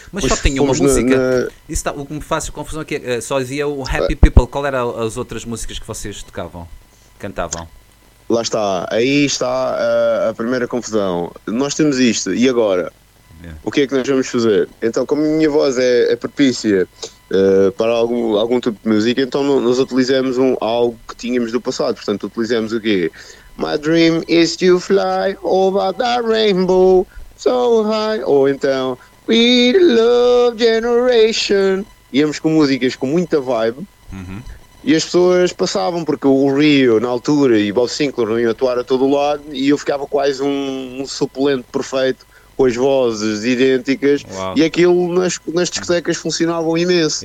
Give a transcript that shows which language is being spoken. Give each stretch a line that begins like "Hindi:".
Portuguese: Mas só tinha uma música, o que me faz confusão aqui, só havia o Happy People, qual eram as outras músicas que vocês tocavam, cantavam? Lá está, aí está a primeira confusão, nós temos isto, e agora? O que é que nós vamos fazer? Então, como a minha voz é propícia para algum tipo de música, então nós utilizamos algo que tínhamos do passado. Portanto, utilizamos o quê?
English: My dream is to fly over the rainbow so high.
Portuguese: Ou então,
English: we love generation.
Portuguese: Íamos com músicas com muita vibe. E as pessoas passavam, porque o Rio, na altura, e Bob Sinclair iam atuar a todo lado, e eu ficava quase um suplente perfeito, com as vozes idênticas. Uau. E aquilo nas discotecas funcionava imenso.